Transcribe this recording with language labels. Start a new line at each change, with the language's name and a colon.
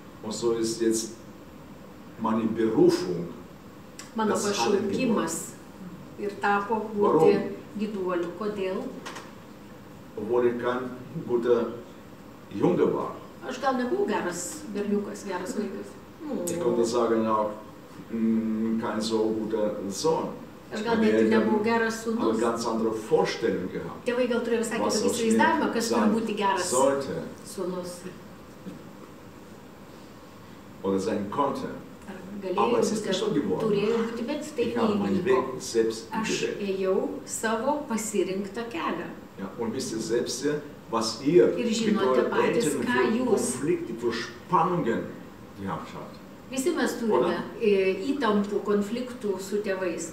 German: Und so ist jetzt meine Berufung.
Lithuanian: Mano pašaukimas ir tapo būti gyduoliu. Kodėl?
German: Obwohl ich kein guter Junge war.
Lithuanian: Aš gal nebuvau geras berniukas, geras vaikas.
German: Ich konnte sagen auch kein so guter Sohn.
Lithuanian: Aš gal nebuvau geras sūnus.
German: Aber ganz andere Vorstellung gehabt.
Lithuanian: Tėvai gal turėjo visai kitokį įsivaizdavimą, kas turi būti geras sūnus.
German: Oder sein konnte. Aber es ist nicht so geworden.
Lithuanian: Aš ėjau savo pasirinktą kelią.
German: Ja, und wisst ihr selbst, was ihr mit euren Eltern für Konflikte, für Spannungen gehabt habt.
Lithuanian: Visi mes turime įtampų, konfliktų su tėvais.